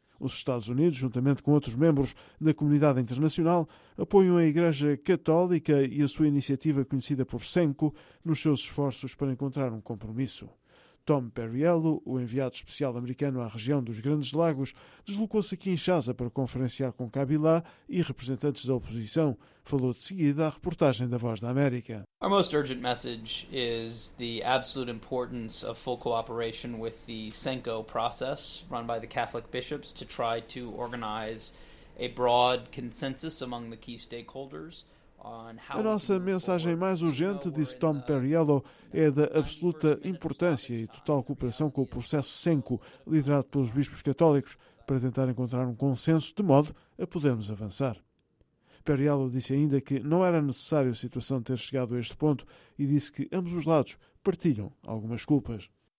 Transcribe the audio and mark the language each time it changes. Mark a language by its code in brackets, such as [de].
[pt] Os Estados Unidos, juntamente com outros membros da comunidade internacional, apoiam a Igreja Católica e a sua iniciativa conhecida por CENCO nos seus esforços para encontrar um compromisso. Tom Perriello, o enviado especial americano à região dos Grandes Lagos, deslocou-se a Kinshasa para conferenciar com Kabila e representantes da oposição. Falou de seguida à reportagem da Voz da América. [en] Our most urgent message is the absolute importance of full cooperation with the CENCO process run by the Catholic bishops to try to organize a broad consensus among the key stakeholders. [pt] A nossa mensagem mais urgente, disse Tom Perriello, é da absoluta importância e total cooperação com o processo CENCO, liderado pelos bispos católicos, para tentar encontrar um consenso de modo a podermos avançar. Perriello disse ainda que não era necessário a situação ter chegado a este ponto e disse que ambos os lados partilham algumas culpas.